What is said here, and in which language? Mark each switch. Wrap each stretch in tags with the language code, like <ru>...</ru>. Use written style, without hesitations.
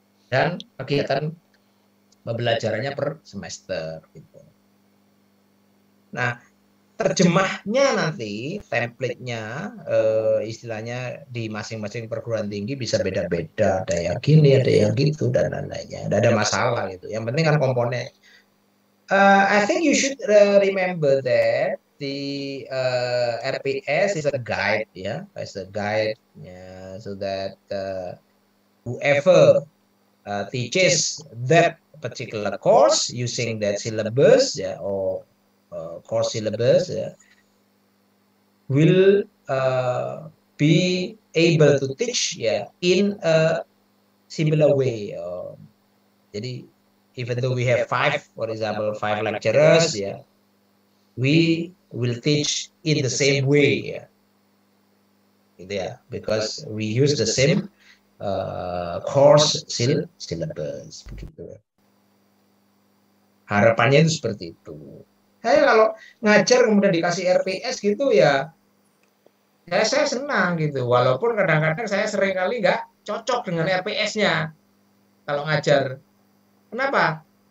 <id>Dan kegiatan pembelajarannya per semester. Gitu. Nah, terjemahnya nanti, template-nya, istilahnya di masing-masing perguruan tinggi bisa beda-beda. Ada yang gini, ada yang gitu, dan lain-lainnya. Tidak ada masalah. Gitu. Yang penting kan komponen.</id> <en>I think you should remember that the RPS is a guide, yeah, as a guide, yeah, so that whoever teaches that particular course using that syllabus, yeah, or course syllabus, yeah, will be able to teach, yeah, in a similar way.</en> <id>Jadi,</id> <en>even though we have five lecturers, yeah, we will teach in the same way, yeah, because we use the same course syllabus.</en> <id>Begitu. Harapannya itu seperti itu. Hey, kalau ngajar kemudian dikasih RPS gitu ya, saya senang gitu. Walaupun kadang-kadang saya sering kali nggak cocok dengan RPS-nya kalau ngajar. Kenapa?</id>